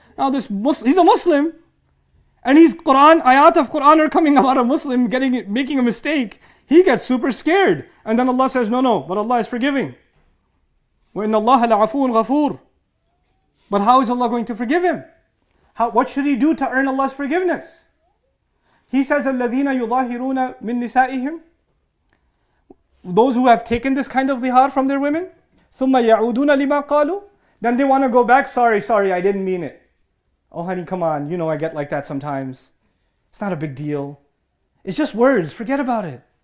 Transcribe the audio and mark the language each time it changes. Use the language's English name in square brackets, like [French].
[English] Now this Muslim, he's a Muslim, and he's Quran, ayat of Quran are coming about a Muslim making a mistake. He gets super scared. And then Allah says, no, but Allah is forgiving. [Arabic] وَإِنَّ اللَّهَ لَعَفُوٌ غَفُورٌ. [English] But how is Allah going to forgive him? What should he do to earn Allah's forgiveness? He says, [Arabic] الَّذِينَ يُظَاهِرُونَ مِن نِسَائِهِمْ. [English] Those who have taken this kind of dhihar from their women, [Arabic] ثُمَّ يَعُودُونَ لِمَا قَالُوا. [English] Then they want to go back, sorry, I didn't mean it. Oh honey, come on, you know I get like that sometimes. It's not a big deal. It's just words, forget about it.